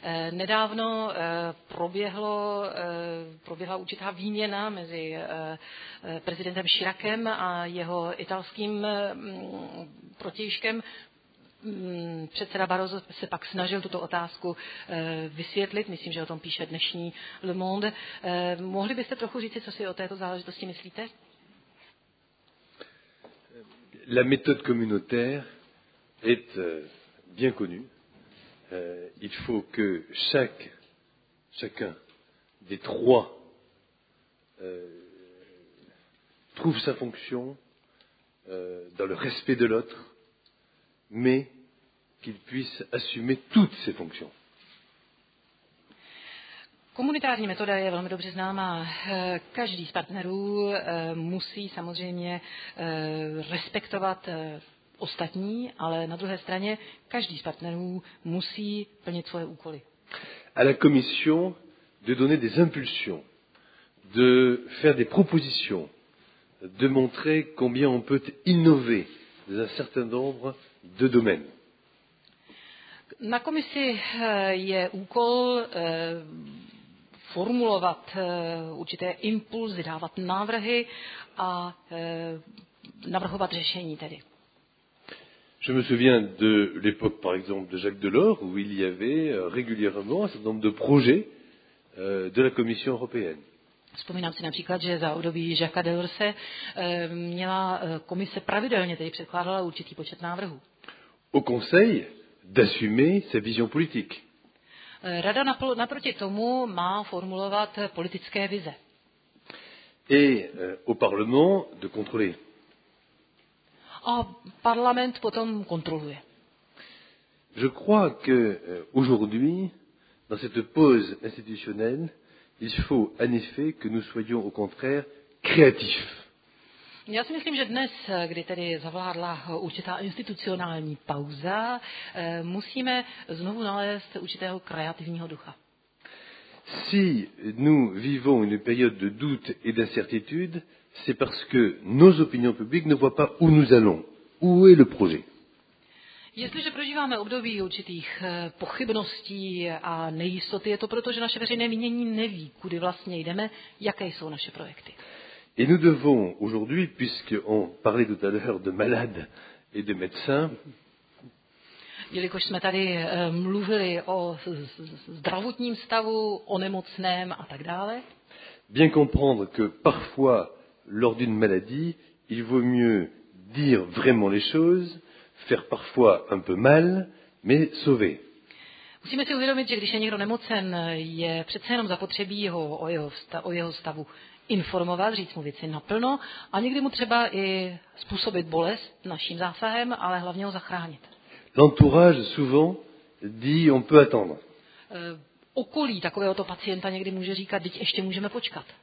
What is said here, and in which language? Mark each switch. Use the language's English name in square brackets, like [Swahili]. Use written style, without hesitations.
[Czech] Nedávno proběhla určitá výměna mezi prezidentem Chiracem a jeho italským protějškem. Předseda Barroso se pak snažil tuto otázku vysvětlit, myslím, že o tom píše dnešní Le Monde. Mohli byste trochu říct, co si o této záležitosti myslíte? [French] La méthode communautaire est bien connue. Il faut que chacun des trois trouve sa fonction dans le respect de l'autre, mais qu'il puisse assumer toutes ses fonctions. [Czech] Komunitární metoda je velmi dobře známá. Každý z partnerů musí samozřejmě respektovat ostatní, ale na druhé straně každý z partnerů musí plnit svoje úkoly. [French] À la commission de donner des impulsions, de faire des propositions, de montrer combien on peut innover dans un certain nombre de domaines. [Czech] Na komisi je úkol formulovat určité impulzy, dávat návrhy a navrhovat řešení tedy. [French] Je me souviens de l'époque par exemple de Jacques Delors où il y avait régulièrement un certain nombre de projets de la Commission européenne. [Czech] Vzpomínám si například, že za období Jacques'a Delorse měla komise pravidelně tedy předkládala určitý počet návrhů. [French] Au conseil d'assumer ses visions politiques. [Czech] Rada naproti tomu má formulovat politické vize. [French] Et au parlement de contrôler. [Czech] A parlament potom kontroluje. [French] Je crois que aujourd'hui dans cette pause institutionnelle il faut en effet que nous soyons au contraire créatifs. [Czech] Já si myslím, že dnes, kdy tedy zavládla určitá institucionální pauza, musíme znovu nalézt určitého kreativního ducha. [French] Si nous vivons une période de doute et d'incertitude, c'est parce que nos opinions publiques ne voient pas où nous allons. Où est le projet? [Czech] Jestliže prožíváme období určitých pochybností a nejistoty, je to proto, že naše veřejné mínění neví, kudy vlastně jdeme, jaké jsou naše projekty. [French] Et nous devons aujourd'hui, puisque on parlait tout à l'heure de malades et de médecins, [Czech] jelikož jsme tady mluvili o zdravotním stavu, o nemocném a tak dále, [French] bien comprendre que parfois lors d'une maladie, il vaut mieux dire vraiment les choses, faire parfois un peu mal, mais sauver. [Czech] Musíme si uvědomit, že když je někdo nemocen, je přece jenom zapotřebí ho o jeho stavu informovat, říct mu věci naplno a někdy mu třeba i způsobit bolest naším zásahem, ale hlavně ho zachránit. [French] L'entourage souvent dit on peut attendre. [Czech] Okolí takovéhoto pacienta někdy může říkat, teď ještě můžeme počkat.